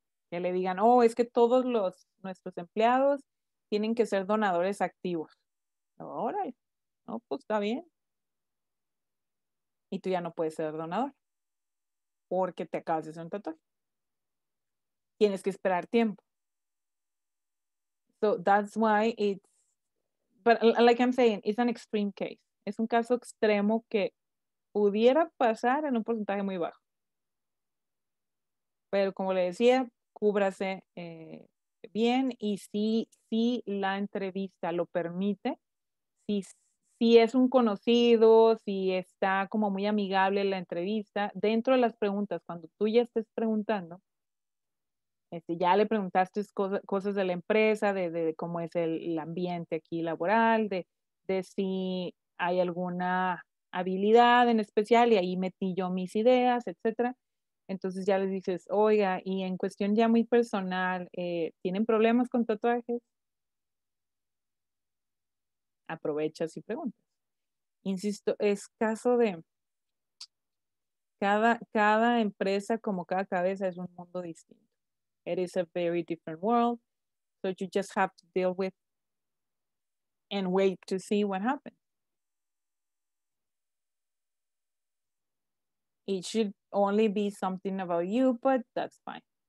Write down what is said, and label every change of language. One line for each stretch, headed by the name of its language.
Spanish: Que le digan, oh, es que todos nuestros empleados tienen que ser donadores activos. Ahora, no, pues está bien. Y tú ya no puedes ser donador porque te acabas de hacer un tatuaje. Tienes que esperar tiempo.
English: So that's why it's, but like I'm saying, it's an extreme case.
Spanish: Es un caso extremo que pudiera pasar en un porcentaje muy bajo. Pero como le decía, cúbrase bien y si la entrevista lo permite, si es un conocido, si está como muy amigable la entrevista, dentro de las preguntas, cuando tú ya estés preguntando, ya le preguntaste cosas de la empresa, de cómo es el ambiente aquí laboral, de si hay alguna habilidad en especial, y ahí metí yo mis ideas, etcétera. Entonces ya le dices, oiga, y en cuestión ya muy personal, ¿tienen problemas con tatuajes? Aprovechas y preguntas. Insisto, es caso de cada empresa, como cada cabeza, es un mundo distinto.
English: It is a very different world, so you just have to deal with and wait to see what happens. It should only be something about you, but that's fine.